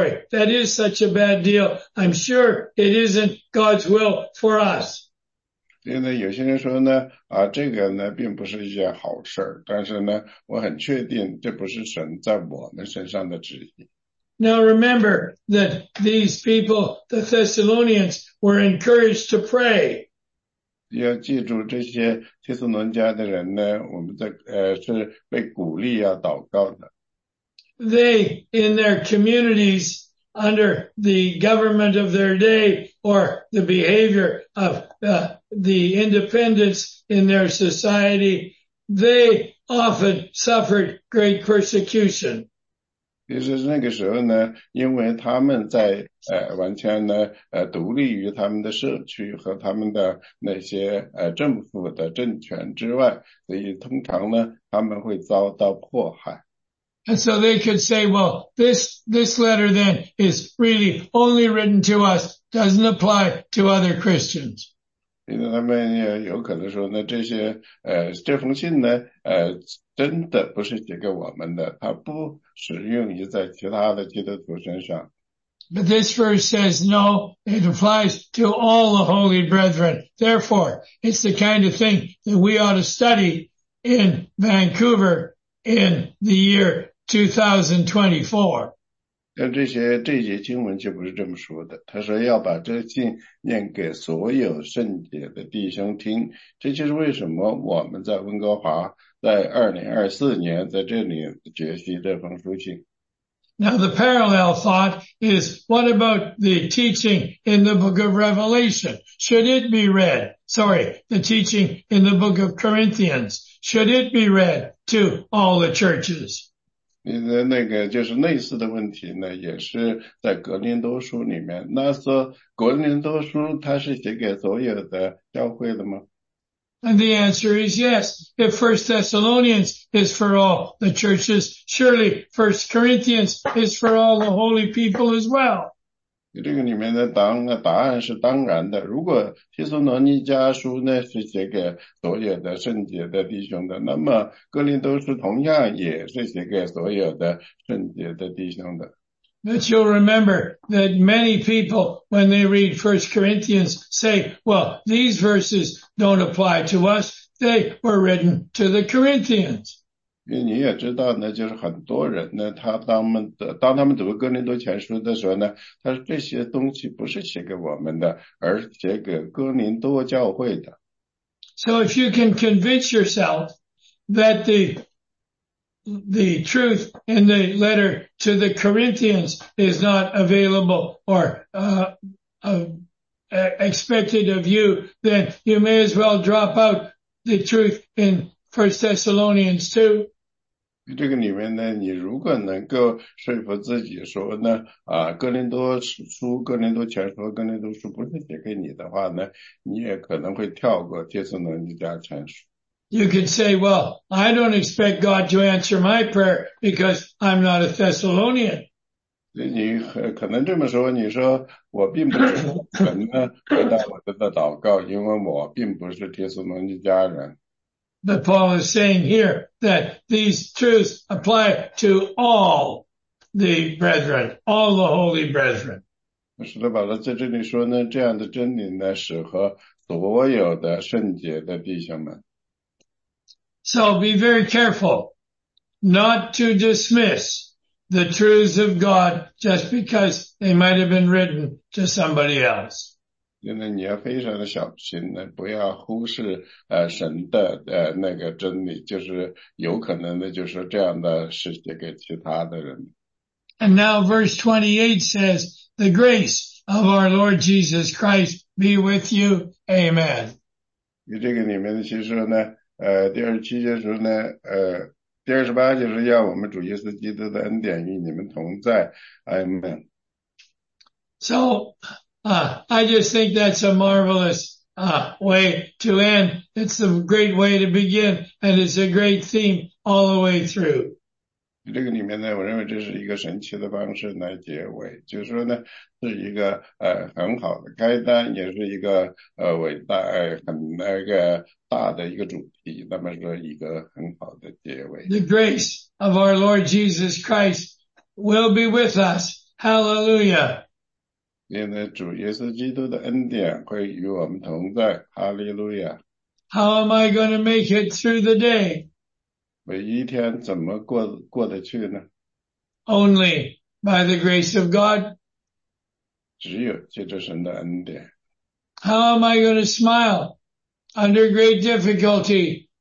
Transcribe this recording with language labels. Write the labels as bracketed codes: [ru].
[en] That is such a bad deal. I'm sure it isn't God's will for us. [zh] 所以呢，有些人说呢，这个呢并不是一件好事，但是呢，我很确定这不是神在我们身上的旨意。 [en] Now remember that these people, the Thessalonians, were encouraged to pray. [zh] 要记住这些帖撒罗尼迦的人呢，我们在是被鼓励要祷告的。 [en] They, in their communities, under the government of their day, or the behavior of the independents in their society, they often suffered great persecution. [zh] 其实那个时候呢，因为他们在完全呢独立于他们的社区和他们的那些政府的政权之外，所以通常呢他们会遭到迫害。 [en] And so they could say, well, this letter then is really only written to us, doesn't apply to other Christians. [zh] 因为他们也有可能说呢，这封信呢，真的不是写给我们的，它不适用于在其他的基督徒身上。 [en] But this verse says, no, it applies to all the holy brethren. Therefore, it's the kind of thing that we ought to study in Vancouver. In the year 2024. [zh] 但这些经文却不是这么说的。他说要把这信念给所有圣洁的弟兄听。这就是为什么我们在温哥华在2024年在这里学习这封书信。 [en] Now the parallel thought is, what about the teaching in the book of Revelation? Should it be read? Sorry, the teaching in the book of Corinthians. Should it be read to all the churches? [zh] 那个就是类似的问题呢，也是在格林多书里面。那说格林多书它是写给所有的教会的吗？ [en] And the answer is yes. If 1 Thessalonians is for all the churches, surely 1 Corinthians is for all the holy people as well. [zh] 这个里面的答案是当然的。如果提苏罗尼迦书呢是写给所有的圣洁的弟兄的，那么哥林多书同样也是写给所有的圣洁的弟兄的。 [en] But you'll remember that many people, when they read 1 Corinthians, say, well, these verses don't apply to us. They were written to the Corinthians. [zh] 因为你也知道呢，就是很多人呢，当他们读哥林多前书的时候呢，他说这些东西不是写给我们的，而是写给哥林多教会的。 [en] So if you can convince yourself that the truth in the letter to the Corinthians is not available or expected of you, then you may as well drop out the truth in 1 Thessalonians 2. [zh] 这个里面呢，你如果能够说服自己说呢，哥林多书、哥林多前书、哥林多书不是写给你的话呢，你也可能会跳过帖撒罗尼迦前书。 [en] You could say, well, I don't expect God to answer my prayer because I'm not a Thessalonian. [zh] 你可能这么说，你说我并不是神呢回答我的祷告，因为我并不是帖撒罗尼迦人。 [en] that Paul is saying here, that these truths apply to all the brethren, all the holy brethren. [zh] 是的，保罗在这里说呢，这样的真理呢，适合所有的圣洁的弟兄们。 [en] So be very careful not to dismiss the truths of God just because they might have been written to somebody else. [zh] 现在你要非常的小心呢，不要忽视神的那个真理，就是有可能的，就是这样的事写给其他的人。 [en] And now verse 28 says, the grace of our Lord Jesus Christ be with you. Amen. [zh] 这个里面的其实呢第二七节时候呢第二十八节是要我们主耶稣基督的恩典与你们同在。 [en] Amen. So, I just think that's a marvelous, way to end. It's a great way to begin, and it's a great theme all the way through. [zh] 这个里面呢，我认为这是一个神奇的方式来结尾，就是说呢，是一个很好的开端，也是一个伟大很那个大的一个主题，那么说一个很好的结尾。 [en] The grace of our Lord Jesus Christ will be with us. Hallelujah. [zh] 现在主耶稣基督的恩典会与我们同在。 [en] Hallelujah. How am I going to make it through the day? [zh] 每一天怎么过得去呢 [en] ?Only by the grace of God. [zh] 只有借着神的恩典。 [en] How am I going to smile under great difficulty?